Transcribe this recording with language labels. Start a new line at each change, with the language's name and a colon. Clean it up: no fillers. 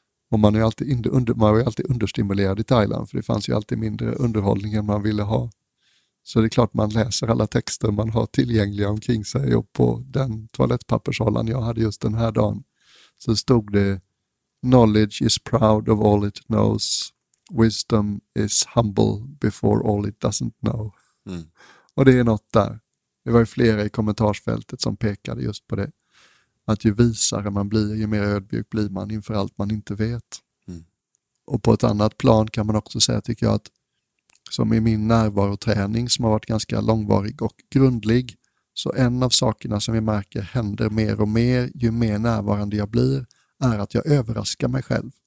Swedish: Och man är alltid man var ju alltid understimulerad i Thailand, för det fanns ju alltid mindre underhållning än man ville ha. Så det är klart man läser alla texter man har tillgängliga omkring sig, och på den toalettpappershållaren jag hade just den här dagen så stod det:
English: Knowledge is proud of all it knows. Wisdom is humble before all it doesn't know.
Swedish: Mm. Och det är något där. Det var ju flera i kommentarsfältet som pekade just på det. Att ju visare man blir, ju mer ödmjuk blir man inför allt man inte vet. Mm. Och på ett annat plan kan man också säga, tycker jag, att som i min närvaroträning som har varit ganska långvarig och grundlig, så en av sakerna som jag märker händer mer och mer ju mer närvarande jag blir är att jag överraskar mig själv.